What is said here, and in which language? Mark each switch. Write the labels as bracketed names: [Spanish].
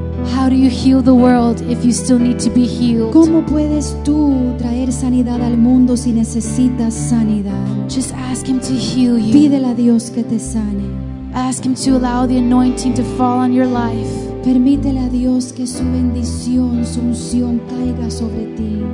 [English] How do you heal the world if you still need to be healed? [Spanish] ¿Cómo puedes tú traer sanidad al mundo si necesitas sanidad? [English] Just ask him to heal you. [Spanish] Pídele a Dios que te sane. [English] Ask him to allow the anointing to fall on your life. [Spanish] Permítele a Dios que su bendición, su unción caiga sobre ti.